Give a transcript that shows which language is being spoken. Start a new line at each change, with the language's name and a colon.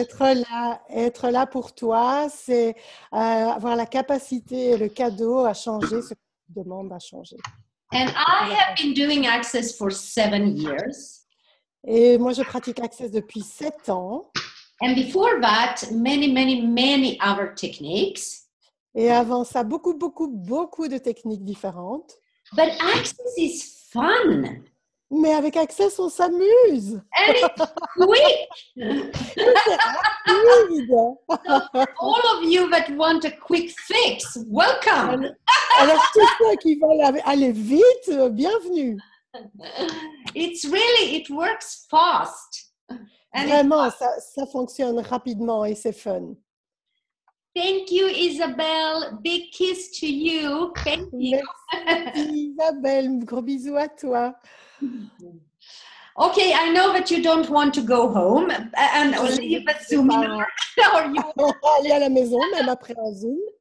English: question.
French: Être là pour toi, c'est avoir la capacité et le cadeau à changer ce que tu demandes à changer.
English: And I have been doing Access for 7 years.
French: Et moi, je pratique Access depuis 7 ans.
English: And before that, many, many, many other techniques.
French: Et avant ça, beaucoup, beaucoup, beaucoup de techniques différentes.
English: But Access is fun.
French: Mais avec Access, on s'amuse.
English: And it's quick.
French: C'est rapide.
English: All of you that want a quick fix, welcome.
French: Alors, tous ceux qui veulent aller vite, bienvenue.
English: It's really, it works fast.
French: And vraiment, ça fonctionne rapidement et c'est fun.
English: Thank you, Isabelle. Big kiss to you. Thank you.
French: Merci, Isabelle. Gros bisous à toi.
English: Okay, I know that you don't want to go home and leave a Zoom in
French: aller à la maison, même après un Zoom.